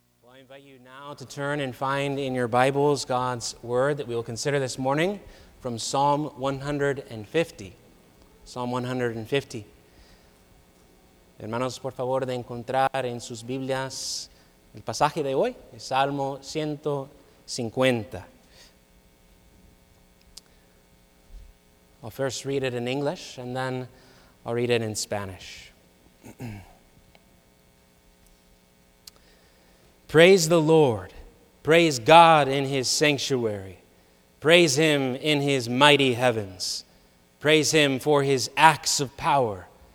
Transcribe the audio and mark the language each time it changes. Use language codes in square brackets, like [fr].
[en] I invite you now to turn and find in your Bibles God's word that we will consider this morning from Psalm 150. Psalm 150. [es] Hermanos, por favor, de encontrar en sus Biblias el pasaje de hoy, el Salmo 150. [en] I'll first read it in English, and then I'll read it in Spanish. Praise the Lord. Praise God in His sanctuary. Praise Him in His mighty heavens. Praise Him for His acts of power.